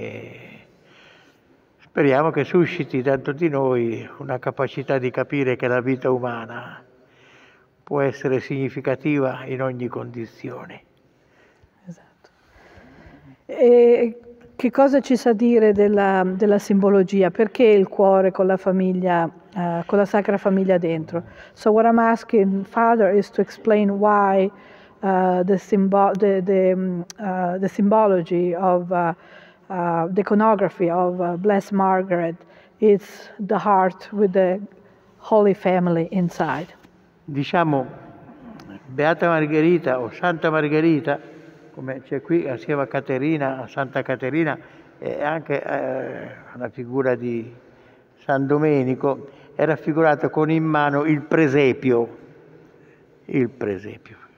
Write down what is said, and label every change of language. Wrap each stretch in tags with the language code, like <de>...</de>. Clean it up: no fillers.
<it>E speriamo che susciti dentro di noi una capacità di capire che la vita umana può essere significativa in ogni condizione. Esatto. E che cosa ci sa dire della simbologia? Perché il cuore con la famiglia, con la Sacra Famiglia dentro?</it> <en>So what I'm asking, Father, is to explain why the symbology of the iconography of Blessed Margaret is the heart with the Holy Family inside.</en> <it>Diciamo Beata Margherita o Santa Margherita, come c'è qui assieme a Caterina, a Santa Caterina, e anche alla figura di San Domenico, è raffigurato con in mano il presepio. Il presepio.</it>